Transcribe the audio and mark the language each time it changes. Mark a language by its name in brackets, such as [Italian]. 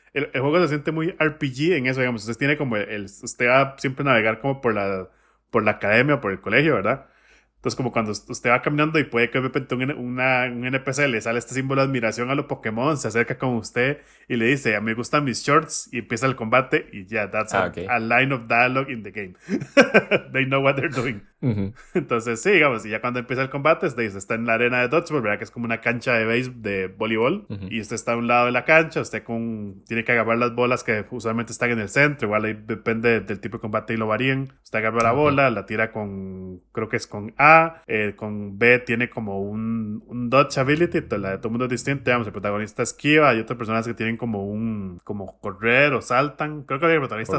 [Spanish] El juego se siente muy RPG en eso, digamos. Usted tiene como usted va siempre a navegar como por la academia o por el colegio, ¿verdad? Entonces, como cuando usted va caminando y puede que de repente un NPC le sale este símbolo de admiración a los Pokémon, se acerca con usted y le dice, a mí me gustan mis shorts, y empieza el combate, y ya, yeah, Ah, [English] that's okay. a line of dialogue in the game. They know what they're doing. [Spanish] Entonces, sí, digamos, y ya cuando empieza el combate, está en la arena de dodgeball, ¿verdad? Que es como una cancha de béisbol, de voleibol, y usted está a un lado de la cancha, usted tiene que agarrar las bolas que usualmente están en el centro, igual ahí depende del tipo de combate y lo varían. Usted agarra la bola, la tira creo que es con A, con B tiene como un dodge ability, la de todo el mundo es distinta, digamos, el protagonista esquiva, hay otras personas que tienen como correr o saltan, creo que el protagonista